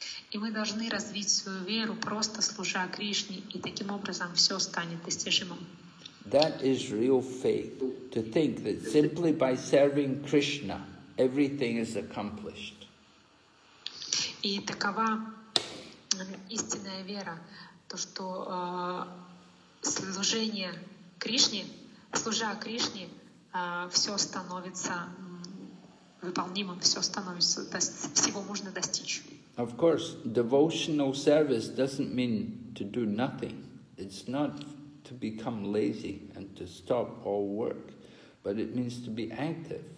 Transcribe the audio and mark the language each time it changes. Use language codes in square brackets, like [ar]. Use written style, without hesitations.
[ru] И мы должны развить свою веру, просто служа Кришне, и таким образом все станет достижимым. [en] That is real faith, to think that simply by serving Krishna, everything is accomplished. [ru] И такова истинная вера, то что служение Кришне, служа Кришне, все становится выполнимым, все становится, всего можно достичь. [en] Of course, devotional service doesn't mean to do nothing. It's not to become lazy and to stop all work, but it means to be active.